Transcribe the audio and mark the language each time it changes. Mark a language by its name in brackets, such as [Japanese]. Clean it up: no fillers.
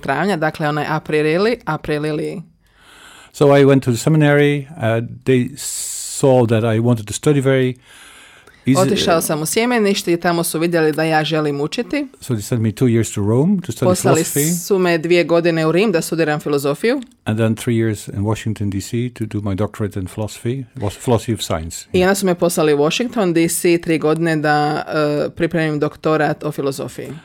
[Croatian] travnja, dakle onaj aprilili. [English] So I went to the seminary, they saw that I wanted to study very easily. [Croatian] Otišao sam u sjemenište i tamo su vidjeli da ja želim učiti. [English] So they sent me 2 years to Rome to study [Croatian] Poslali [English] philosophy. [Croatian] Poslali su me 2 godine u Rim da studiram filozofiju. [English] And then 3 years in Washington DC to do my doctorate in philosophy, philosophy of science. [Croatian] I onda su me poslali u Washington DC 3 godine da pripremim doktorat o filozofiji.